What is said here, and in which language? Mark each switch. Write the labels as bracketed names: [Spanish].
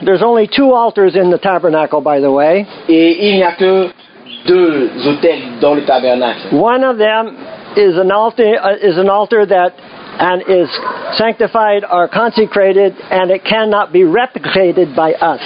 [English] There's only two altars in the tabernacle, by the way. [French] Et il n'y a que deux autels dans le tabernacle. [English] One of them is an altar that and is sanctified or consecrated, and it cannot be replicated by us.